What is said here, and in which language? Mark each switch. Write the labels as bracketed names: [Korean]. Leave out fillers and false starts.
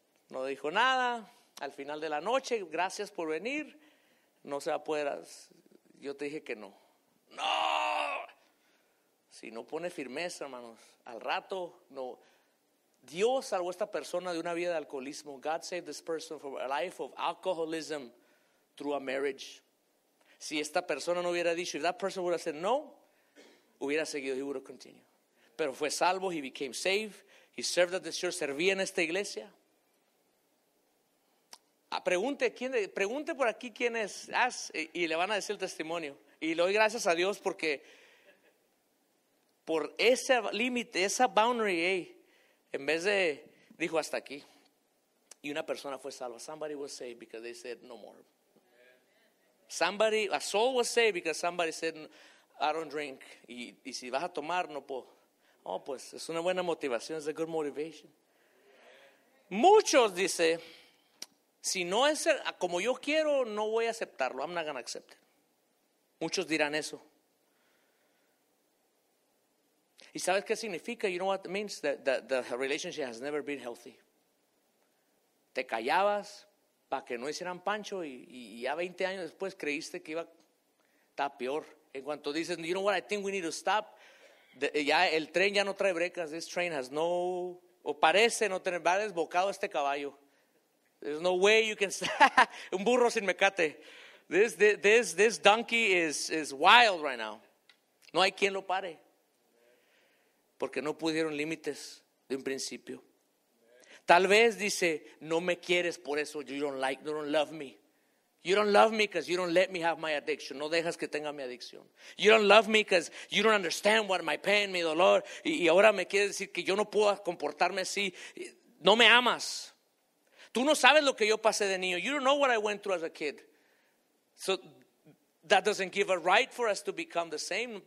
[Spanish] No dijo nada. Al final de la noche, gracias por venir. No se va a poder. Yo te dije que no. ¡No! Si no pone firmeza, hermanos. Al rato, no. Dios salvó a esta persona de una vida de alcoholismo. [English] God saved this person from a life of alcoholism through a marriage. [Spanish] Si esta persona no hubiera dicho, [English] if that person would have said no, [Spanish] hubiera seguido, [English] he would have continued. [Spanish] Pero fue salvo, [English] he became saved, he served at the church, [Spanish] servía en esta iglesia. Pregunte por aquí quién es, y le van a decir el testimonio. Y le doy gracias a Dios porque por ese límite, esa boundary, en vez de, dijo hasta aquí. Y una persona fue salva. [English] Somebody was saved because they said no more. A soul was saved because somebody said no. I don't drink. [Spanish] Y si vas a tomar, no puedo. Oh, pues es una buena motivación. [English] It's a good motivation. [Spanish] Muchos dice, si no es como yo quiero, no voy a aceptarlo. [English] I'm not going to accept it. [Spanish] Muchos dirán eso. ¿Y sabes qué significa? [English] You know what it means? The relationship has never been healthy. [Spanish] Te callabas para que no hicieran pancho y ya 20 años después creíste que iba a estar peor. En cuanto dices, [English] you know what, I think we need to stop. [Spanish] Ya el tren ya no trae brecas. [English] This train has no, [Spanish] o parece no tener, va desbocado este caballo. [English] There's no way you can stop. [Spanish] Un burro sin mecate. [English] This donkey is wild right now. [Spanish] No hay quien lo pare. Porque no pusieron límites de un principio. Tal vez dice, no me quieres por eso. [English] You don't love me. You don't love me because you don't let me have my addiction. [Spanish] No dejas que tenga mi adicción. [English] You don't love me because you don't understand what my pain, [Spanish] mi dolor. Y ahora me quieres decir que yo no puedo comportarme así. No me amas. Tú no sabes lo que yo pasé de niño. [English] You don't know what I went through as a kid. So that doesn't give a right for us to become the same.